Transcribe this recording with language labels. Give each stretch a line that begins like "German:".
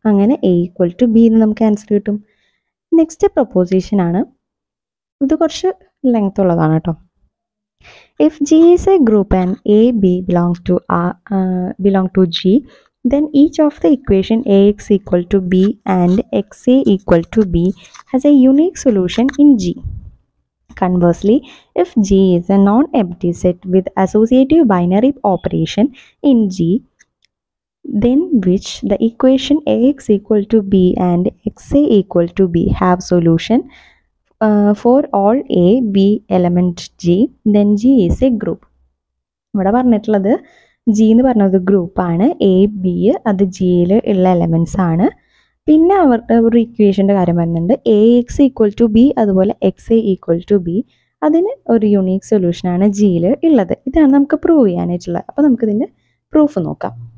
Malayalam: അങ്ങനെ A equal to B എന്ന് നമുക്ക് ആൻസർ കിട്ടും. നെക്സ്റ്റ് പ്രൊപ്പോസിഷൻ ആണ്, ഇത് കുറച്ച് ലെങ്ത് ഉള്ളതാണ് കേട്ടോ.
English: If G is a group and A B belong to A belong to G, then each of the equation A X equal to B and X A equal to B has a unique solution in G. Conversely, if G is a non-empty set with associative binary operation in G, then which the equation AX equal to B and XA equal to B have solution for all A, B element G, then G is a group.
Malayalam: ഇവിടെ പറഞ്ഞിട്ടുള്ളത് G എന്ന് പറഞ്ഞത് ഗ്രൂപ്പാണ്, A, B അത് ജിയിൽ ഉള്ള elements ആണ്. പിന്നെ അവരുടെ ഒരു ഇക്വേഷൻ്റെ കാര്യം പറയുന്നുണ്ട്, A X equal to B അതുപോലെ X A equal to B, അതിന് ഒരു യുണീക് സൊല്യൂഷനാണ് ജിയിൽ ഉള്ളത്. ഇതാണ് നമുക്ക് പ്രൂവ് ചെയ്യാനായിട്ടുള്ളത്. അപ്പോൾ നമുക്കിതിൻ്റെ പ്രൂഫ് നോക്കാം.